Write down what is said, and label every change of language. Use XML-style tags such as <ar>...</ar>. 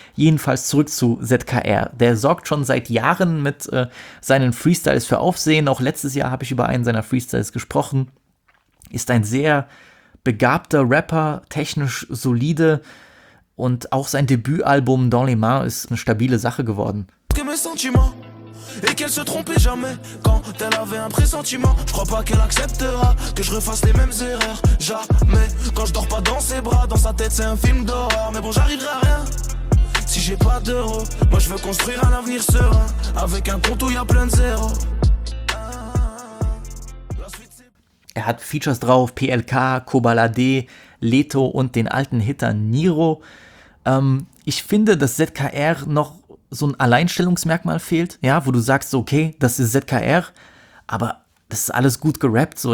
<de>Jedenfalls zurück zu ZKR. Der sorgt schon seit Jahren mit seinen Freestyles für Aufsehen. Auch letztes Jahr habe ich über einen seiner Freestyles gesprochen. Ist ein sehr begabter Rapper, technisch solide. Und auch sein Debütalbum Dans les Mains ist eine stabile Sache geworden.</de> <fr>Et qu'elle se trompait jamais quand elle avait un pressentiment. Je crois pas qu'elle acceptera que je refasse les mêmes erreurs. Jamais. Quand je dors pas dans ses bras, dans sa tête c'est un film d'horreur. Mais bon, j'arriverai à rien si j'ai pas d'euros. Moi je veux construire un avenir serein avec un compte où y a plein de zéros.</fr> <de>Er hat Features drauf: PLK, Kobalade, Leto und den alten Hitter Niro. Ich finde, dass ZKR noch so ein Alleinstellungsmerkmal fehlt, ja, wo du sagst, okay, das ist ZKR, aber das ist alles gut gerappt, so.</de>